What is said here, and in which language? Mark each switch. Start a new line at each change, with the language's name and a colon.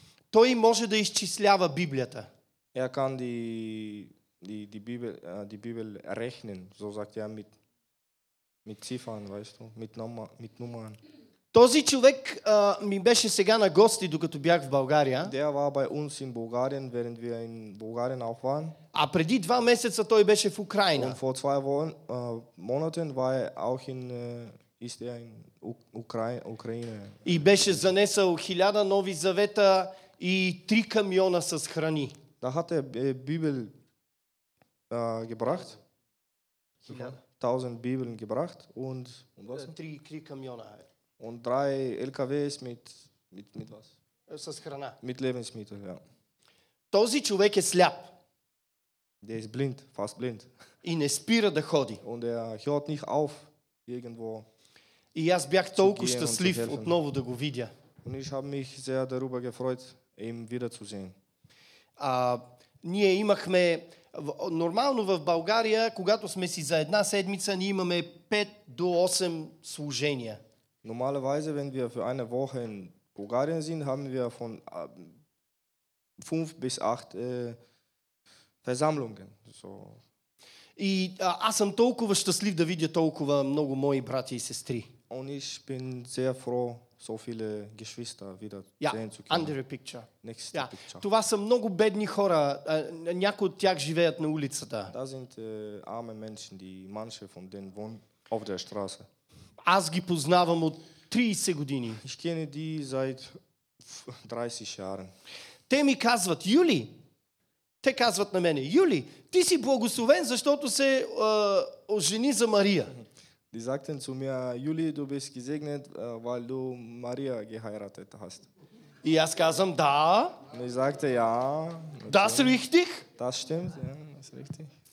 Bulgarian: Той може да изчислява Библията.
German: Er kann die Bibel rechnen, so sagt er mit Ziffern, weißt du, mit Nummern.
Bulgarian: Този човек ми беше сега на гости, докато бях в България.
German: Der war bei uns in Bulgarien, während wir in Bulgarien auch waren.
Bulgarian: А преди два месеца той беше в Украина.
German: Und vor zwei Monaten war er auch in ist er in Ukraine.
Bulgarian: И беше занесъл 1000 нови завета и 3 камиона с храни.
German: Da hat er Bibel gebracht. 1000 Bibeln gebracht und was?
Bulgarian: 3 камиона.
German: Und 3 LKWs mit was?
Bulgarian: С храна.
German: Mit Lebensmittel, ja.
Bulgarian: Този човек е сляп.
German: Der ist blind, fast blind.
Bulgarian: И не спира да ходи.
German: Und er hört nicht auf irgendwo.
Bulgarian: И аз бях толкова щастлив отново да го видя.
German: Und ich habe mich sehr darüber gefreut, ihn wiederzusehen.
Bulgarian: Ние имахме нормално в България, когато сме си за една седмица, ние имаме 5 до 8 служения.
German: Normalerweise, wenn wir für eine Woche in Bulgarien sind, haben wir von 5 bis 8 Versammlungen. So.
Bulgarian: И аз съм толкова щастлив да видя толкова много мои брати и сестри.
German: Und ich bin sehr froh, so viele Geschwister wieder sehen zu können.
English: Andere picture. Next picture.
Bulgarian: Това са много бедни хора. Някои от тях живеят на улицата.
German: Das sind arme Menschen, die manche von denen wohnen auf der Straße.
Bulgarian: Аз ги познавам от 30 години.
German: Ich kenne die seit 30 Jahren.
Bulgarian: Те ми казват, Юли, те казват на мене, Юли, ти си благословен, защото се ожени за Мария.
German: Die sagten zu mir, Юли, du bist gesegnet, weil du Maria geheiratet hast.
Bulgarian: И аз казвам, да.
German: Und ich sagte, ja. Das richtig. Das stimmt, ja, das richtig.